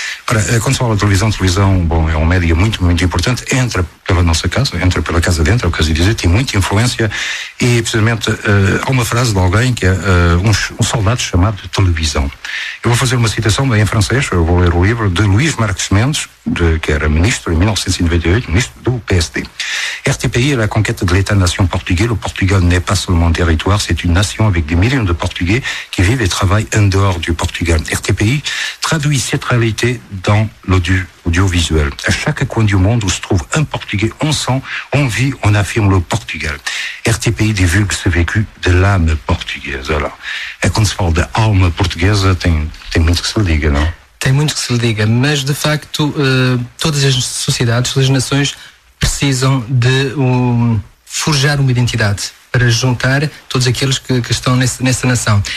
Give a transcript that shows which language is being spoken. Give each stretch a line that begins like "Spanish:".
Portuguese: Ora, quando se fala de televisão, bom, é um média muito, muito importante, entra pela nossa casa, entra pela casa dentro, é o caso de dizer, tem muita influência, e precisamente há uma frase de alguém que é um soldado chamado de televisão. Eu vou fazer uma citação em francês, eu vou ler o livro de Luís Marques Mendes, que era ministro em 1998, ministro do PSD.
French: RTPI é la conquête de l'État-nation portugais. Le Portugal n'est pas seulement un territoire, c'est une nation avec des millions de Portugais qui vivent et travaillent en dehors du Portugal. RTPI traduit cette réalité dans l'audiovisuel. À chaque coin du monde où se trouve un Portugais, on sent, on vit, on affirme le Portugal. RTPI divulgue ce vécu de l'âme portugaise. Alors, quand on se parle d'âme portugaise,
Portuguese: tem muito que se liga, não? Tem muito que se liga, mas de facto, todas as sociedades, todas as nações precisam de forjar uma identidade para juntar todos aqueles que estão nessa nação.